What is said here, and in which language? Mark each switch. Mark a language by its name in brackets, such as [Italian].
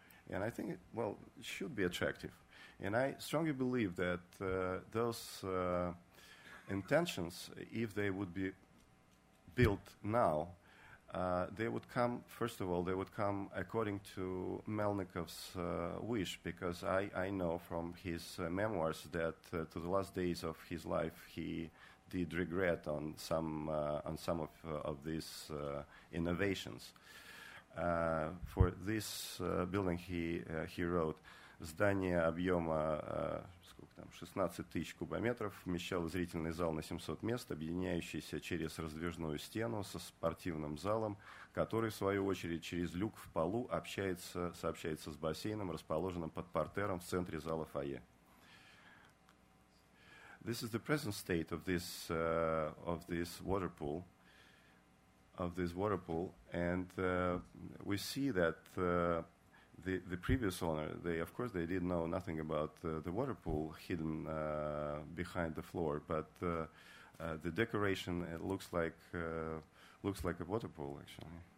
[English] And I think it should be attractive. And I strongly believe that those intentions, if they would be built now, they would come, first of all, they would come according to Melnikov's wish, because I know from his memoirs that to the last days of his life he did regret on some of these innovations. For this building he wrote, [Russian] «Здание объема 16 тысяч кубометров вмещало зрительный зал на 700 мест, объединяющийся через раздвижную стену со спортивным залом, который, в свою очередь, через люк в полу сообщается с бассейном, расположенным под партером в центре зала фойе». [English] This is the present state of this water pool, and we see that the previous owner, they didn't know nothing about the water pool hidden behind the floor, but the decoration, it looks like a water pool, actually.